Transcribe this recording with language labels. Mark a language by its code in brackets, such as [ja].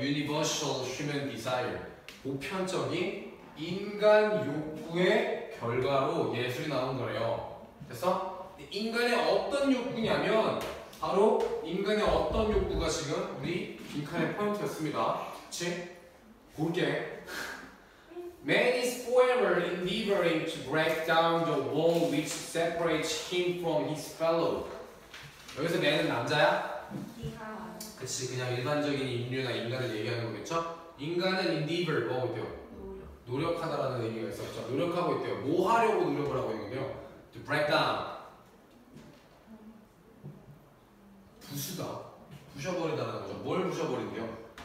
[en] universal human desire, [ko] 보편적인 인간 욕구의 결과로 예술이 나온 거래요. 됐어? 인간의 어떤 욕구냐면 바로 인간의 어떤 욕구가 지금 우리 빈칸의 포인트였습니다. 그치? 볼게. [en] Man is forever endeavoring to break down the wall which separates him from his fellow. [ko] 여기서 man은 남자야? 그치, 그냥 일반적인 인류나 인간을 얘기하는 거겠죠? 인간은 endeavor, 뭐 하고 있대요? 노력하다라는 얘기가 있었죠. 노력하고 있대요. 뭐 하려고 노력을 하고 있는데요? [en] To break down. [ko] 부수다. 부셔버린다는 거죠. 뭘 부셔버린대요?